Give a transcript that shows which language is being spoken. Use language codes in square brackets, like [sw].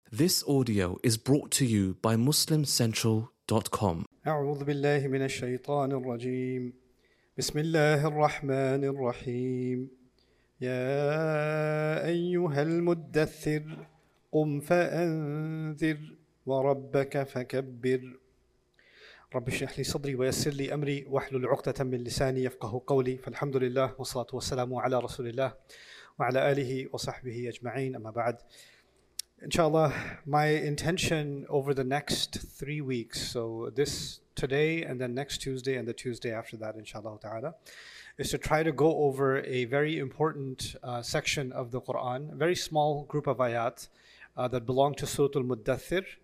[en] This audio is brought to you by MuslimCentral.com. [ar] أعوذ بالله من الشيطان الرجيم. بسم الله الرحمن الرحيم. يا أيها المدثر قم فأنذر وربك فكبر. رب اشرح لي صدري ويسر لي أمري واحلل عقدة من لساني يفقه قولي. فالحمد لله والصلاة والسلام على رسول الله وعلى آله وصحبه أجمعين. أما بعد, [en] inshallah, my intention over the next 3 weeks, so this today and then next Tuesday and the Tuesday after that, inshallah ta'ala, is to try to go over a very important section of the Quran, a very small group of ayat that belong to Surah Al-Muddathir.